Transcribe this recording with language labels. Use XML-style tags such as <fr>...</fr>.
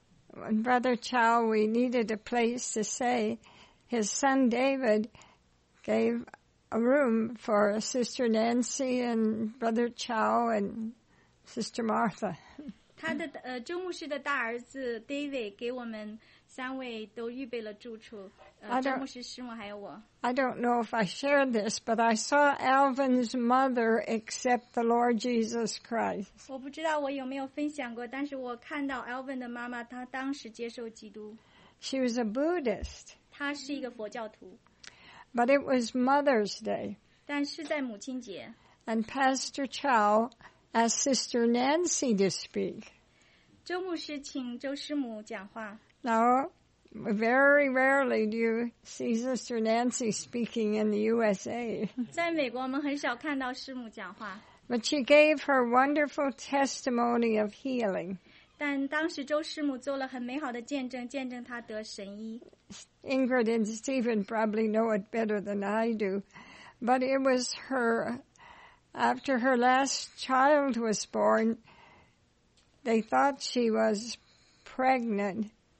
<en>When Brother Chow, we needed a place to stay, his son David gave a room for Sister Nancy and Brother Chow and Sister Martha.</en> <zh>他的中牧师的大儿子 David 给我们三位都预备了住处。</zh> <en>I don't know if I shared this, but I saw Alvin's mother accept the Lord Jesus Christ.</en> <zh>我不知道我有没有分享过，但是我看到Alvin的妈妈，她当时接受基督。</zh> <en>She was a Buddhist.</en> <zh>她是一个佛教徒。</zh> <en>But it was Mother's Day.</en> <zh>但是在母亲节。</zh> <en>And Pastor Chow asked Sister Nancy to speak.</en> <zh>周牧师请周师母讲话。</zh> <en>Now, very rarely do you see Sister Nancy speaking in the USA.</en> <zh>在美国我们很少看到师母讲话。</zh> <en>But she gave her wonderful testimony of healing.</en> <zh>但当时周师母做了很美好的见证，见证她得神医。</zh> <en>Ingrid and Stephen probably know it better than I do. But it was her, after her last child was born, they thought she was pregnant.</en>